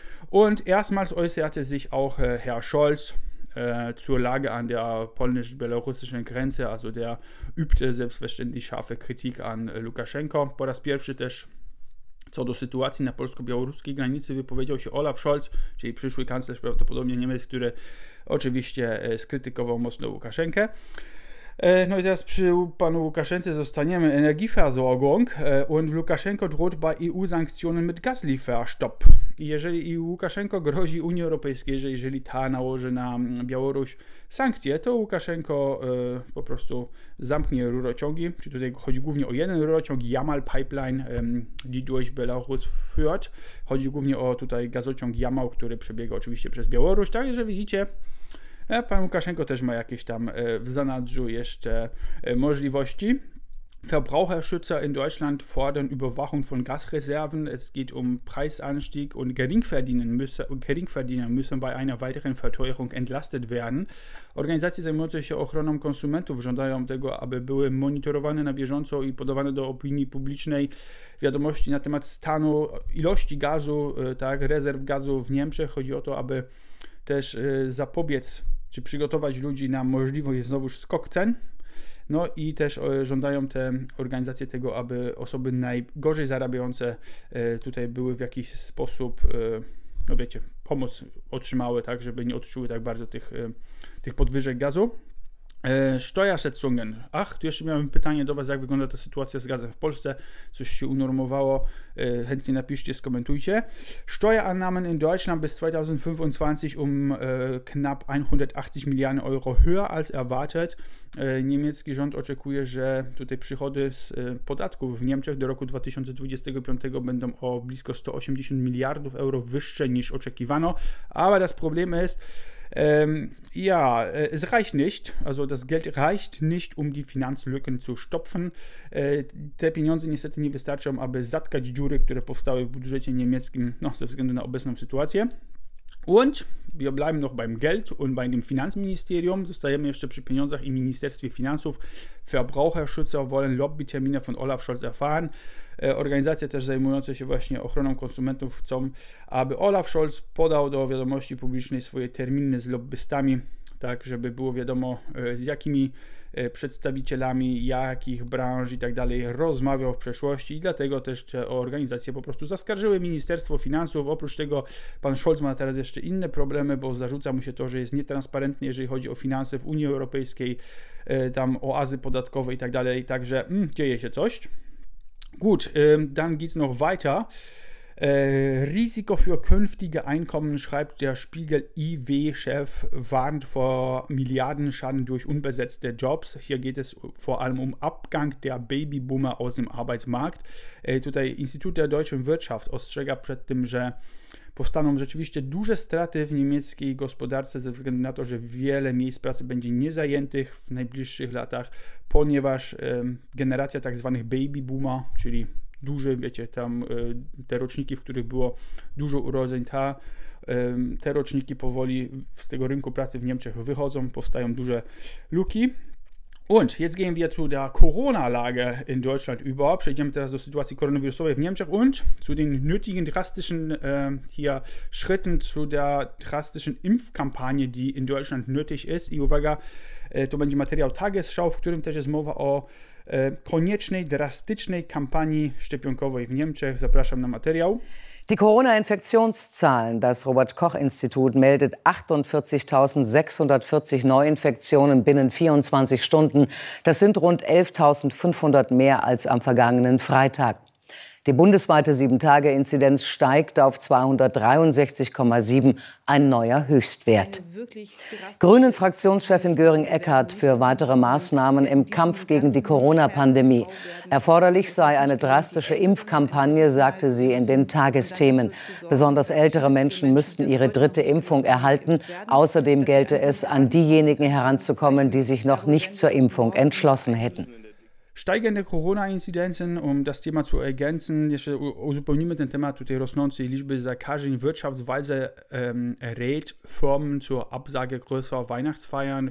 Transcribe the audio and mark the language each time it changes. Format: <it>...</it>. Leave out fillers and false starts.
<de>Und erstmals äußerte sich auch Herr Scholz zur Lage an der polnisch-belarussischen Grenze, also der übte selbstverständlich scharfe Kritik an Lukaschenko.</de> <pl>Po raz pierwszy też co do sytuacji na polsko-białoruskiej granicy wypowiedział się Olaf Scholz, czyli przyszły kanclerz prawdopodobnie Niemiec, który oczywiście skrytykował mocno Łukaszenkę. No i teraz przy panu Łukaszence zostaniemy.</pl> <de>Energieversorgung und Lukaschenko droht bei EU-Sanktionen mit Gaslieferstopp.</de> <pl>Jeżeli i Łukaszenko grozi Unii Europejskiej, jeżeli ta nałoży na Białoruś sankcje, to Łukaszenko po prostu zamknie rurociągi. Czyli tutaj chodzi głównie o jeden rurociąg, Yamal Pipeline,</pl> <de>die durch Belarus führt.</de> <pl>Chodzi głównie o tutaj gazociąg Yamal, który przebiega oczywiście przez Białoruś. Także widzicie, pan Łukaszenko też ma jakieś tam w zanadrzu jeszcze możliwości.</pl> <de>Verbraucherschützer in Deutschland fordern Überwachung von Gasreserven. Es geht um Preisanstieg und Geringverdiener müssen bei einer weiteren Verteuerung entlastet werden.</de> <pl>Organizacje zajmujące się ochroną konsumentów żądają tego, aby były monitorowane na bieżąco i podawane do opinii publicznej wiadomości na temat stanu ilości gazu, tak, rezerw gazu w Niemczech. Chodzi o to, aby też zapobiec czy przygotować ludzi na możliwość znowuż skok cen. No i też żądają te organizacje tego, aby osoby najgorzej zarabiające tutaj były w jakiś sposób, no wiecie, pomoc otrzymały, tak, żeby nie odczuły tak bardzo tych podwyżek gazu. Steuerschätzungen. Ach, tu jeszcze miałem pytanie do was, jak wygląda ta sytuacja z gazem w Polsce. Coś się unormowało? Chętnie napiszcie, skomentujcie.</pl> <de>Steuerannahmen in Deutschland bis 2025 knapp 180 Milliarden Euro höher als erwartet.</de> <pl>Niemiecki rząd oczekuje, że tutaj przychody z podatków w Niemczech do roku 2025 będą o blisko 180 miliardów euro wyższe niż oczekiwano.</pl> <de>Aber das Problem ist, ja, es reicht nicht, also das Geld reicht nicht, um die Finanzlücken zu stopfen.</de> <pl>Te pieniądze niestety nie wystarczą, aby zatkać dziury, które powstały w budżecie niemieckim, no, ze względu na obecną sytuację.</pl> <de>Und wir bleiben noch beim Geld und bei dem Finanzministerium.</de> <pl>Zostajemy jeszcze przy pieniądzach im Ministerstwie Finansów.</pl> <de>Verbraucherschützer wollen Lobbytermine von Olaf Scholz erfahren.</de> <pl>Organizacje też zajmujące się właśnie ochroną konsumentów chcą, aby Olaf Scholz podał do wiadomości publicznej swoje terminy z lobbystami, tak żeby było wiadomo, z jakimi przedstawicielami jakich branż i tak dalej rozmawiał w przeszłości i dlatego też te organizacje po prostu zaskarżyły Ministerstwo Finansów. Oprócz tego pan Scholz ma teraz jeszcze inne problemy, bo zarzuca mu się to, że jest nietransparentny, jeżeli chodzi o finanse w Unii Europejskiej, tam oazy podatkowe i tak dalej. Także dzieje się coś.</pl> <de>Gut, dann geht's noch weiter. Risiko für künftige Einkommen, schreibt der Spiegel-IW-Chef, warnt vor Milliardenschaden durch unbesetzte Jobs. Hier geht es vor allem um Abgang der Babyboomer aus dem Arbeitsmarkt.</de> <pl>Tutaj Instytut der Deutschen Wirtschaft ostrzega przed tym, że powstaną rzeczywiście duże straty w niemieckiej gospodarce ze względu na to, że wiele miejsc pracy będzie niezajętych w najbliższych latach, ponieważ generacja tak zwanych baby boomer, czyli duże, wiecie, tam te roczniki, w których było dużo urodzeń, te roczniki powoli z tego rynku pracy w Niemczech wychodzą, powstają duże luki.</pl> <de>Und jetzt gehen wir zu der Corona-Lage in Deutschland über.</de> <pl>Przejdziemy teraz do sytuacji koronawirusowej w Niemczech</pl> <de>und zu den nötigen drastischen hier Schritten zu der drastischen Impfkampagne, die in Deutschland nötig ist.</de> <pl>I uwaga, to będzie materiał Tagesschau, w którym też jest mowa o koniecznej, drastycznej kampanii szczepionkowej w Niemczech. Zapraszam na materiał.</pl> <de>Die Corona-Infektionszahlen. Das Robert-Koch-Institut meldet 48.640 Neuinfektionen binnen 24 Stunden. Das sind rund 11.500 mehr als am vergangenen Freitag. Die bundesweite 7-Tage-Inzidenz steigt auf 263,7, ein neuer Höchstwert. Grünen-Fraktionschefin Göring-Eckardt für weitere Maßnahmen im Kampf gegen die Corona-Pandemie. Erforderlich sei eine drastische Impfkampagne, sagte sie in den Tagesthemen. Besonders ältere Menschen müssten ihre dritte Impfung erhalten. Außerdem gelte es, an diejenigen heranzukommen, die sich noch nicht zur Impfung entschlossen hätten. Steigende Corona-Inzidenzen, um das Thema zu ergänzen,</de> <pl>jeszcze uzupełnimy ten temat tutaj rosnącej liczby zakażeń.</pl> <de>Wirtschaftsweise rät Firmen zur Absage größerer Weihnachtsfeiern.</de>